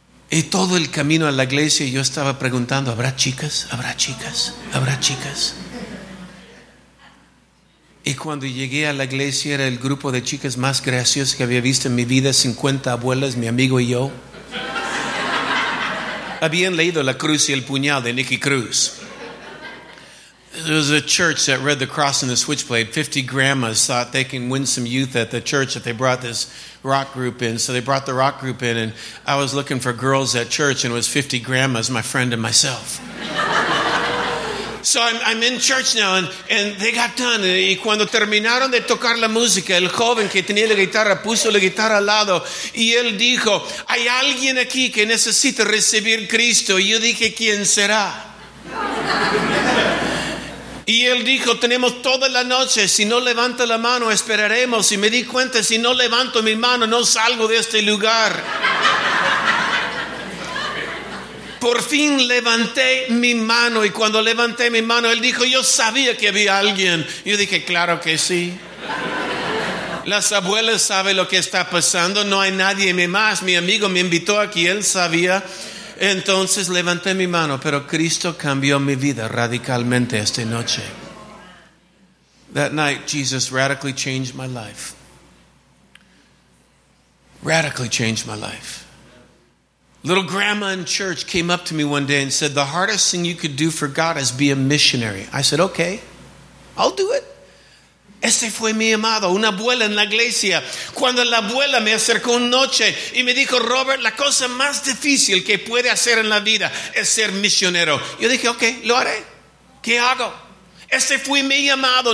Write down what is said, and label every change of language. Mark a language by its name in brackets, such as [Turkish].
[Spanish] Y todo el camino a la iglesia yo estaba preguntando, ¿habrá chicas? ¿Habrá chicas? ¿Habrá chicas? Y cuando llegué a la iglesia, era el grupo de chicas más graciosas que había visto en mi vida, 50 abuelas, mi amigo y yo. Habían leído La Cruz y el Puñal de Nicky Cruz. [English] There was a church that read The Cross and the Switchblade. 50 grandmas thought they can win some youth at the church if they brought this rock group in. So they brought the rock group in, and I was looking for girls at church, and it was 50 grandmas, my friend and myself. So I'm in church now, and they got done. [Spanish] Y cuando terminaron de tocar la música, el joven que tenía la guitarra puso la guitarra al lado, y él dijo, hay alguien aquí que necesita recibir Cristo. Y yo dije, ¿quién será? Y él dijo, tenemos toda la noche, si no levanta la mano, esperaremos. Y me di cuenta, si no levanto mi mano, no salgo de este lugar. Por fin levanté mi mano, y cuando levanté mi mano, él dijo, yo sabía que había alguien. Yo dije, claro que sí. Las abuelas saben lo que está pasando, no hay nadie más. Mi amigo me invitó aquí, él sabía. Entonces levanté mi mano, pero Cristo cambió mi vida radicalmente esta noche. [English] That night, Jesus radically changed my life. Radically changed my life. Little grandma in church came up to me one day and said, the hardest thing you could do for God is be a missionary. I said, okay, I'll do it. [Spanish] Ese fue mi amado, una abuela en la iglesia. Cuando la abuela me acercó una noche y me dijo, Robert, la cosa más difícil que puede hacer en la vida es ser misionero. Yo dije, ok, lo haré. ¿Qué hago? Ese fue mi llamado.